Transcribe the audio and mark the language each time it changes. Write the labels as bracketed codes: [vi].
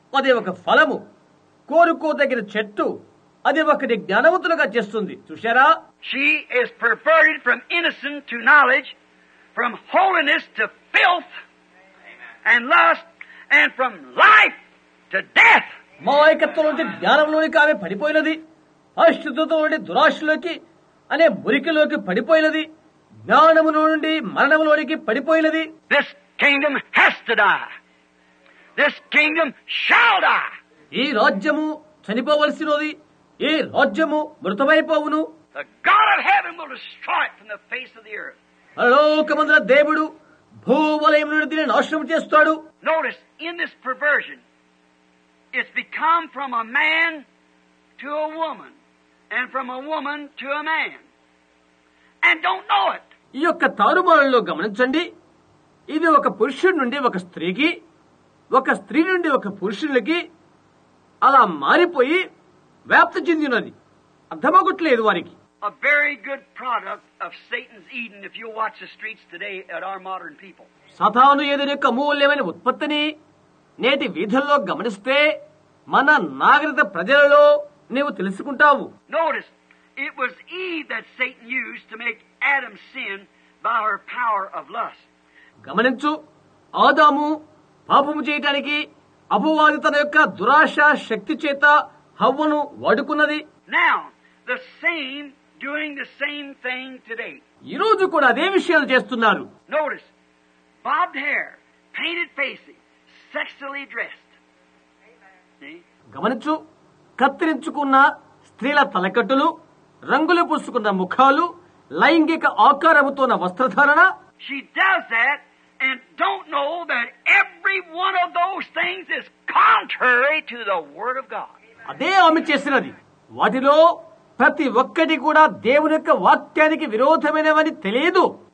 [te] అది ఒక ఫలము, కోరుకోదగిన చెట్టు. అది ఒకటి జ్ఞానవంతులుగా చేస్తుంది. చూశారా? [en] She is perverted from innocence to knowledge, from holiness to filth and lust, and from life to death. [te] మాయకత్వం నుండి జ్ఞానంలోనికి ఆమె పడిపోయినది. అశుద్ధతో నుండి దురాశలోకి అనే మురికిలోకి పడిపోయినది. జ్ఞానము నుండి మరణంలోనికి పడిపోయినది. [en] This kingdom has to die. This kingdom shall die. [te] ఈ రాజ్యము చనిపోవలసినది. ఈ రాజ్యము మృతమైపోవును. [en] The God of heaven will destroy it from the face of the earth. [te] పరలోకమందున దేవుడు భూవలయం నుండి దీన్ని నాశనం చేస్తాడు. [en] Notice, in this perversion, it's become from a man to a woman, and from a woman to a man. And don't know it. [te] ఈ యొక్క తారుమారులో గమనించండి. ఇది ఒక పురుషుడి నుండి ఒక స్త్రీకి, ఒక స్త్రీ నుండి ఒక పురుషునికి అలా మారిపోయి వ్యాప్తి చెందినది. అర్థమగట్లేదు వారికి. [en] A very good product of Satan's Eden, if you watch the streets today at our modern people. [te] Satan ఎదురిక మూల్యమైన ఉత్పత్తిని నేటి వీధుల్లో గమనిస్తే మన నాగరిక ప్రజలలో నీవు తెలుసుకుంటావు. [en] Notice, it was Eve that Satan used to make Adam sin by her power of lust. [te] గమనించు, ఆదాము పాపము చేయడానికి అపవాది తన యొక్క దురాశ శక్తి చేత హవ్వను వాడుకున్నది. [en] Now, the same, doing the same thing today. [te] ఈ రోజు కూడా అదే విషయాలు చేస్తున్నారు. [en] Notice, bobbed hair, painted face, sexually dressed. [te] గమనించు, కత్తిరించుకున్న స్త్రీల తలకట్టులు, రంగులు పూసుకున్న ముఖాలు, లైంగిక ఆకారముతో ఉన్న వస్త్రధారణ. [en] She does that and don't know that every one of those things is contrary to the word of God. [te] అదే ఆమె చేసినది. వాటిలో ప్రతి ఒక్కటి కూడా దేవుని యొక్క వాక్యానికి విరోధమైనవని తెలియదు.